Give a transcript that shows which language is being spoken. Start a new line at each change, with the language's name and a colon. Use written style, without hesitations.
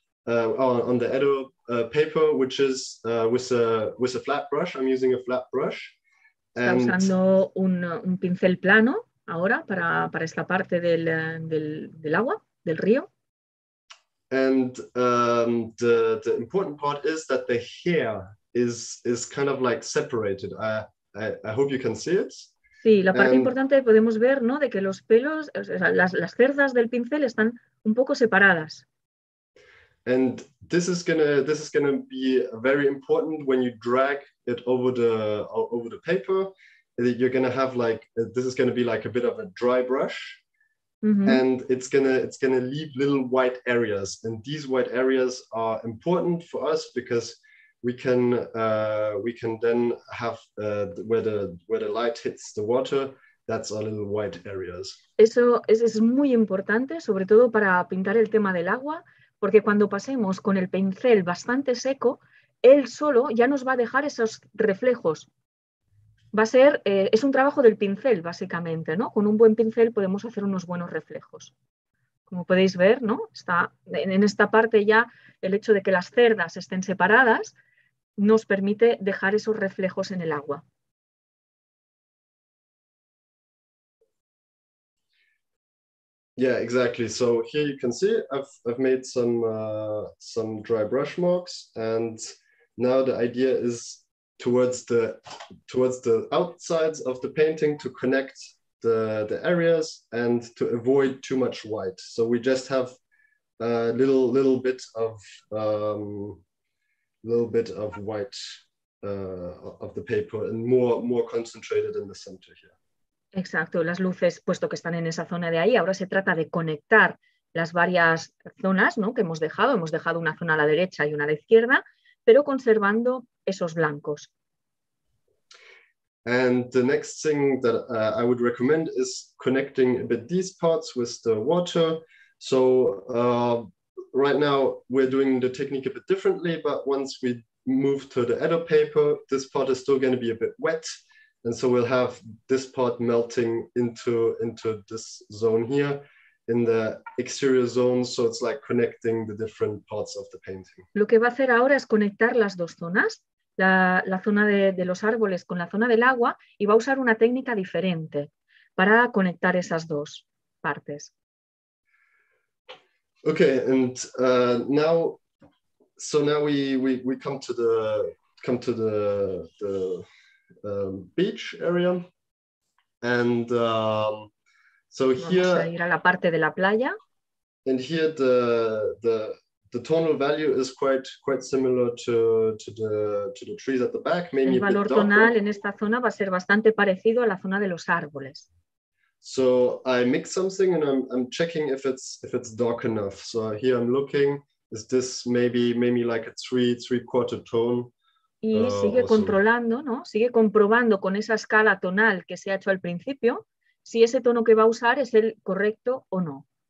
English: on the Edo paper, which is with a flat brush. I'm using a flat brush. And...
Spanish: Está usando un pincel plano ahora para esta parte del agua, del río.
English: And the important part is that the hair is kind of like separated. I hope you can see it.
Spanish: Sí, la parte importante podemos ver, ¿no? De que los pelos, o sea, las cerdas del pincel están un poco separadas.
English: And this is gonna be very important when you drag it over the paper. You're gonna have like this is gonna be like a bit of a dry brush. Mm-hmm. And it's gonna leave little white areas, and these white areas are important for us because we can then have where the light hits the water. That's our little white areas.
Spanish: Eso es muy importante, sobre todo para pintar el tema del agua, porque cuando pasemos con el pincel bastante seco, él solo ya nos va a dejar esos reflejos. Va a ser, es un trabajo del pincel, básicamente, ¿no? Con un buen pincel podemos hacer unos buenos reflejos. Como podéis ver, ¿no? Está en esta parte ya el hecho de que las cerdas estén separadas nos permite dejar esos reflejos en el agua.
English: Yeah, exactly. So here you can see I've made some dry brush marks, and now the idea is towards the outsides of the painting to connect the areas and to avoid too much white. So we just have a little bit of white of the paper and more concentrated in the center here.
Spanish: Exacto, las luces, puesto que están en esa zona de ahí, ahora se trata de conectar las varias zonas, ¿no? Que hemos dejado una zona a la derecha y una a la izquierda, pero conservando esos blancos.
English: And the next thing that I would recommend is connecting a bit these parts with the water. So right now we're doing the technique a bit differently, but once we move to the Edo paper, this part is still going to be a bit wet. And so we'll have this part melting into this zone here in the exterior zone. So it's like connecting the different parts of the painting.
Spanish: Lo que va a hacer ahora es conectar las dos zonas. La zona de los árboles con la zona del agua, y va a usar una técnica diferente para conectar esas dos partes.
English: Okay, and now we come to the beach area, and so
Spanish: vamos
English: here
Spanish: a ir a la parte de la playa.
English: And here the tonal value is quite similar to the trees at the back, maybe a bit darker.
Spanish: El valor tonal en esta zona va a ser bastante parecido a la zona de los árboles.
English: So I mix something and I'm checking if it's dark enough. So here I'm looking, is this maybe like a three-quarter tone?
Spanish: Y sigue controlando, ¿no? Sigue comprobando con esa escala tonal que se ha hecho al principio si ese tono que va a usar es el correcto o no.